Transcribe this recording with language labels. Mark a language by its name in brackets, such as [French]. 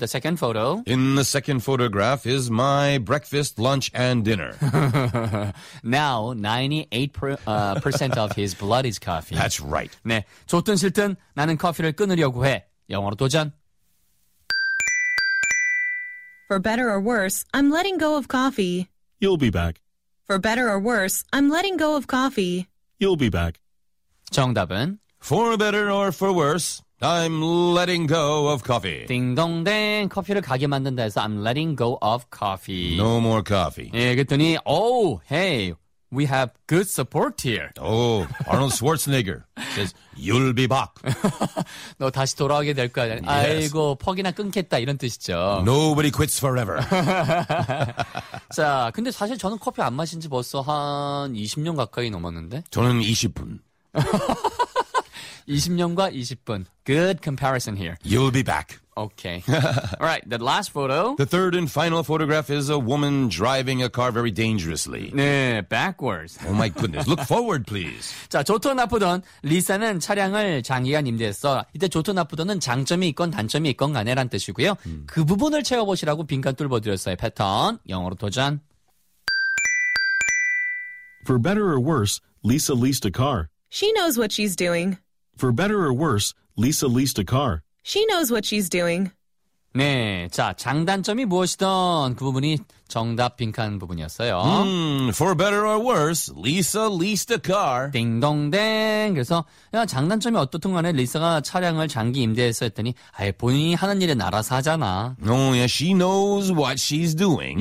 [English] The second photo. In the second photograph is my breakfast, lunch, and dinner. Now 98% of his blood is coffee. That's right. [Korean] 네, 좋든 싫든 나는 커피를 끊으려고 해. 영어로 도전. [English] For better or worse, I'm letting go of coffee. You'll be back. For better or worse, I'm letting go of coffee. You'll be back. [Korean] 정답은? [English] For better or for worse, I'm letting go of coffee. [Korean] 딩동댕, 커피를 가게 만든다 해서 [English] I'm letting go of coffee. No more coffee. [Korean] 예, 그랬더니, [English] oh, hey, we have good support here. Oh, Arnold Schwarzenegger says, you'll be back. [Korean] 너 다시 돌아오게 될 거야. [English] Yes. [Korean] 아이고, 퍽이나 끊겠다. 이런 뜻이죠. [English] Nobody quits forever. [Korean] 자, 근데 사실 저는 커피 안 마신 지 벌써 한 20년 가까이 넘었는데. 저는 20분. 20년과 20분. [English] Good comparison here. You'll be back. Okay. All right, the last photo. The third and final photograph is a woman driving a car very dangerously. 네, backwards. Oh my goodness. Look forward, please. [Korean] 자, 좋든 나쁘든 리사는 차량을 장기간 임대했어. 이때 좋든 나쁘든은 장점이 있건 단점이 있건 간에란 뜻이고요. 그 부분을 채워보시라고 빈칸 뚫어드렸어요. 패턴, 영어로 도전. [English] For better or worse, Lisa leased a car. She knows what she's doing. For better or worse, Lisa leased a car. She knows what she's doing. [Korean] 네, 자, 장단점이 무엇이든 그 부분이 정답 빈칸 부분이었어요. [English] For better or worse, Lisa leased a car. [Korean] 딩동댕. 그래서 야, 장단점이 어떻든 간에 리사가 차량을 장기 임대해서 했더니 아예 본인이 하는 일은 알아서 하잖아. [English] Oh, yeah, she knows what she's doing.